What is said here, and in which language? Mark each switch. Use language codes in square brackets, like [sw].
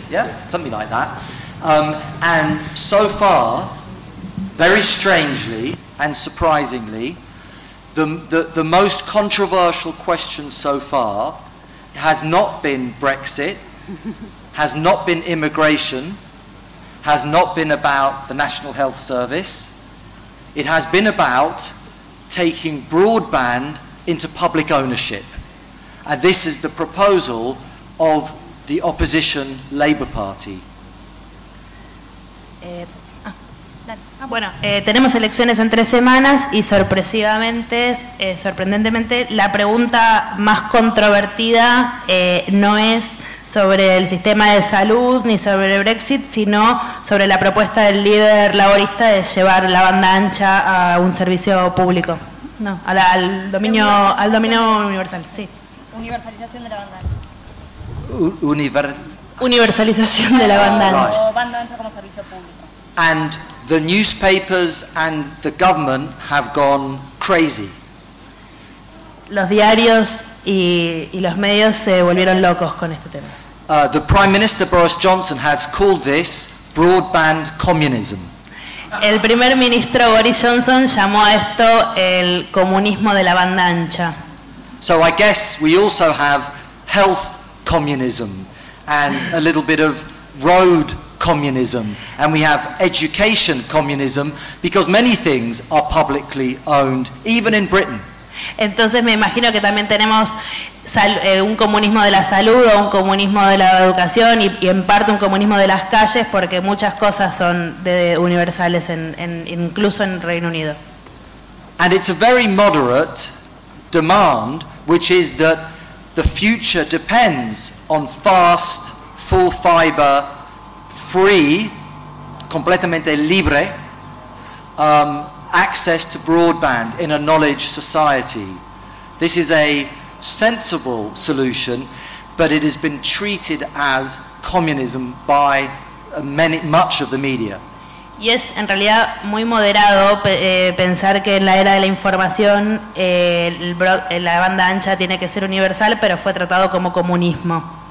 [en] Yeah, something like that. And so far, very strangely and surprisingly, the most controversial question so far has not been Brexit, has not been immigration, has not been about the National Health Service. It has been about taking broadband into public ownership. And this is the proposal of the opposition Labour Party. [es] Bueno, tenemos elecciones en 3 semanas y sorpresivamente, sorprendentemente, la pregunta más controvertida no es sobre el sistema de salud ni sobre el Brexit, sino sobre la propuesta del líder laborista de llevar la banda ancha a un servicio público, no, al dominio universal, sí. Universalización de la banda ancha. Universalización de la banda ancha. O banda ancha como servicio público. [en] And the newspapers and the government have gone crazy. [es] Los diarios y los medios se volvieron locos con este tema. [en] The Prime Minister Boris Johnson has called this broadband communism. [es] El primer ministro Boris Johnson llamó a esto el comunismo de la banda ancha. [en] So I guess we also have health communism and a little bit of road communism, and we have education communism, because many things are publicly owned, even in Britain. [es] Entonces me imagino que también tenemos un comunismo de la salud o un comunismo de la educación y en parte un comunismo de las calles, porque muchas cosas son universales incluso en Reino Unido. [en] And it's a very moderate demand, which is that the future depends on fast, full fiber, free, [es] completamente libre, [en] access to broadband in a knowledge society. This is a sensible solution, but it has been treated as communism by much of the media. [es] Y es en realidad muy moderado pensar que en la era de la información la banda ancha tiene que ser universal, pero fue tratado como comunismo.